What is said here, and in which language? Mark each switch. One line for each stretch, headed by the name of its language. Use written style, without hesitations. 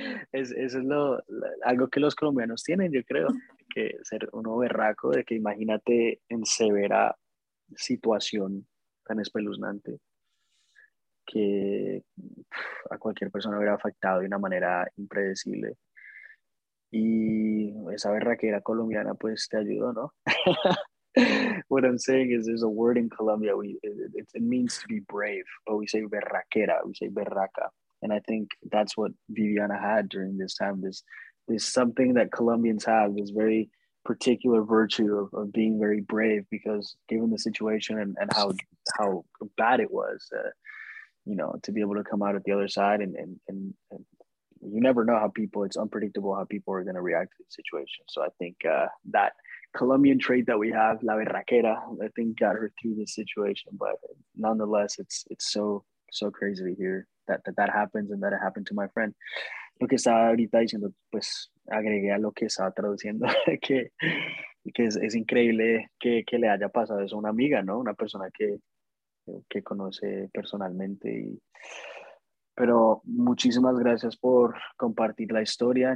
Spanish: Eso es algo que los colombianos tienen, yo creo. Que ser uno berraco, de que imagínate en severa situación tan espeluznante que a cualquier persona hubiera afectado de una manera impredecible. Y esa berraquera colombiana, pues te ayudó, ¿no?
English: What I'm saying is, there's a word in Colombia, it means to be brave, but we say berraquera, we say berraca. And I think that's what Viviana had during this time. There's something that Colombians have, this very particular virtue of being very brave, because given the situation and how bad it was, to be able to come out at the other side, and you never know how people, it's unpredictable how people are going to react to the situation. So I think that Colombian trait that we have, la berraquera, I think got her through this situation. But nonetheless, it's so crazy to hear that happens, and that it happened to my friend.
Spanish: Lo que estaba ahorita diciendo, pues agregué a lo que estaba traduciendo, que es increíble que le haya pasado eso a una amiga, ¿no? Una persona que conoce personalmente. Pero muchísimas gracias por compartir la historia.